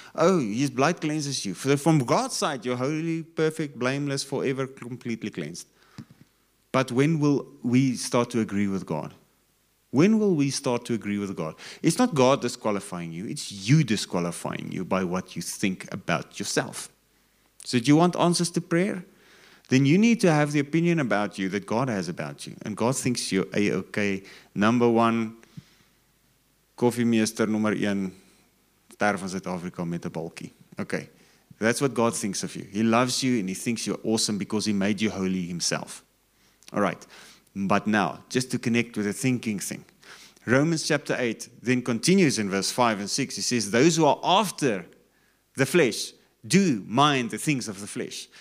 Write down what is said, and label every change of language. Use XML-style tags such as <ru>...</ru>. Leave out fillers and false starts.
<en>Oh, his blood cleanses you. From God's side, you're holy, perfect, blameless, forever, completely cleansed. But when will we start to agree with God? When will we start to agree with God? It's not God disqualifying you. It's you disqualifying you by what you think about yourself. So do you want answers to prayer? Then you need to have the opinion about you that God has about you. And God thinks you're A-okay. Number one,</en> <af>koffiemeester nummer 1, ster van Suid-Afrika met 'n balkie.</af> <en>Okay. That's what God thinks of you. He loves you and he thinks you're awesome because he made you holy himself. All right. But now, just to connect with the thinking thing. Romans chapter 8 then continues in verse 5 and 6. He says, those who are after the flesh do mind the things of the flesh.</en>